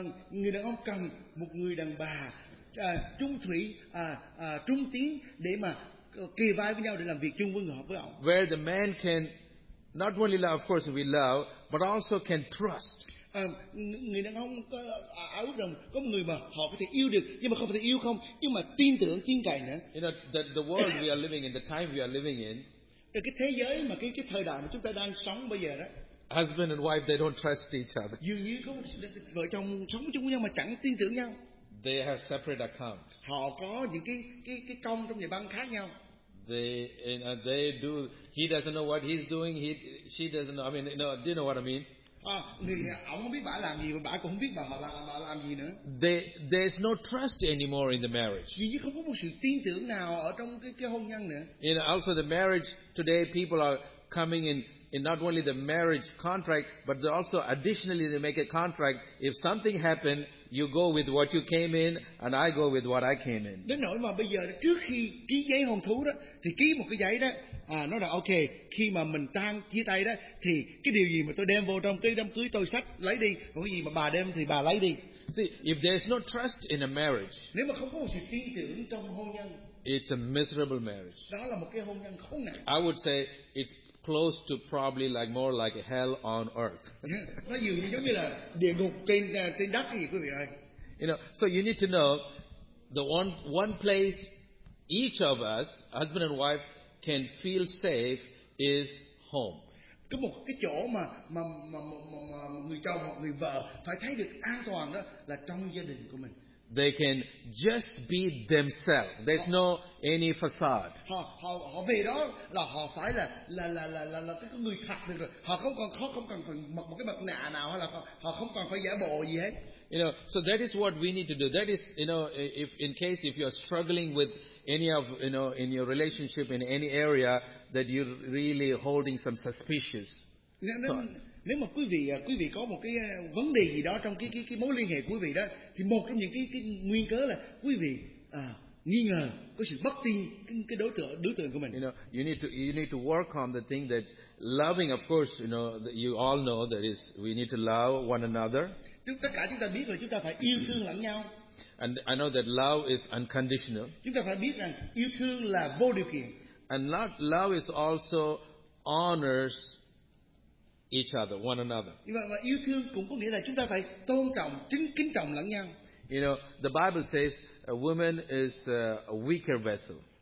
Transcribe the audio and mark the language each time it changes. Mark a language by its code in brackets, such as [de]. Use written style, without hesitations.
[vi] Người đàn ông cần một người đàn bà trung thủy, trung tín để mà kề vai với nhau để làm việc chung với ông. [en] Where the man can not only love, of course we love, but also can trust. [vi] Người đàn ông có người mà họ có thể yêu được, nhưng mà không thể yêu không, nhưng mà tin tưởng, tin cậy nữa. [en] You know, the world we are living in, the time we are living in. [vi] Cái thế giới mà cái thời đại mà chúng ta đang sống bây giờ đó. [en] Husband and wife, they don't trust each other. [vi] Dường như có vợ chồng sống chung với nhau mà chẳng tin tưởng nhau. [en] They have separate accounts. [vi] Họ có những cái công trong nhà băng khác nhau. [en] They do. He doesn't know what he's doing. She doesn't know. I mean, do you know what I mean? [vi] Ông không biết bà làm gì, bà cũng không biết bà làm gì nữa. [en] There's no trust anymore in the marriage. [vi] Vì như không có một sự tin tưởng nào ở trong cái hôn nhân nữa. [en] And also the marriage today, people are coming in not only the marriage contract, but they also additionally they make a contract. If something happened, you go with what you came in, and I go with what I came in. [vi] Đến nỗi mà bây giờ trước khi ký giấy hôn thú đó, thì ký một cái giấy đó. Nó là ok, khi mà mình tan chia tay đó thì cái điều gì mà tôi đem vô trong cái đám cưới tôi xách lấy đi, còn cái gì mà bà đem thì bà lấy đi. [en] See, if there's no trust in a marriage, [vi] nếu mà không có một sự tin tưởng trong hôn nhân, [en] it's a miserable marriage. [vi] Đó là một cái hôn nhân khốn nạn. [en] I would say it's close to probably like more like a hell on earth. [vi] Nó dường như giống như là địa ngục trên đất gì quý vị ơi. [en] You know, so you need to know the one place each of us, husband and wife, can feel safe is home. [vi] Có một cái chỗ mà người chồng hoặc người vợ phải thấy được an toàn đó là trong gia đình của mình. [en] They can just be themselves. There's no any facade. [vi] Họ về đó là họ phải là cái người thật được rồi. Họ không cần phải mặc một cái mặt nạ nào hay là họ không cần phải giả bộ gì hết. [en] You know, so that is what we need to do. That is, you know, if in case if you are struggling with any of, you know, in your relationship in any area that you're really holding some suspicious. [vi] Nếu mà quý vị có một cái vấn đề gì đó trong cái mối liên hệ của quý vị đó, thì một trong những cái nguyên cớ là quý vị nghi ngờ, có sự bất tin cái đối tượng của mình. [en] You know, you need to work on the thing that loving, of course, you know, that you all know that is we need to love one another. [vi] Tất cả chúng ta biết là chúng ta phải yêu thương lẫn nhau. [en] And I know that love is unconditional. [vi] Chúng ta phải biết rằng yêu thương là vô điều kiện. [en] And love is also honors each other, one another. [vi] Và yêu thương cũng có nghĩa là chúng ta phải tôn trọng, kính trọng lẫn nhau. [en] You know, the Bible says a woman is a weaker vessel.